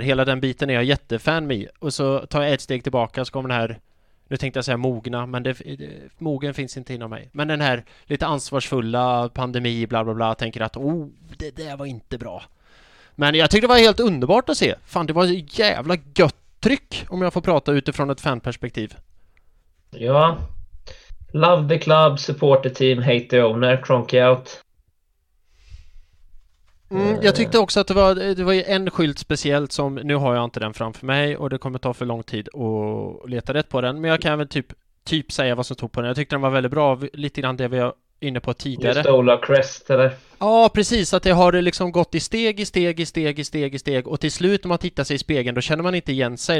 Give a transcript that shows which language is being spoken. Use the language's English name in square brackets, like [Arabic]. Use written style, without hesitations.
[Swedish] Hela den biten är jag jättefan med. Och så tar jag ett steg tillbaka så kommer den här, nu tänkte jag säga mogna, men mogen finns inte inom mig. Men den här lite ansvarsfulla pandemi, bla bla bla, tänker att oh, det där var inte bra. Men jag tyckte det var helt underbart att se. Fan, det var så jävla gött tryck, om jag får prata utifrån ett fanperspektiv. Ja. [English] Love the club, support the team, hate the owner, Kronky out. [Swedish] Jag tyckte också att det var en skylt speciellt som, nu har jag inte den framför mig och det kommer ta för lång tid att leta rätt på den, men jag kan väl typ säga vad som stod på den. Jag tyckte den var väldigt bra, lite grann det vi var inne på tidigare. [English] Stole a crest, [Swedish] eller? Ja, precis, att det har liksom gått i steg, i steg, i steg, i steg, i steg, och till slut när man tittar sig i spegeln, då känner man inte igen sig.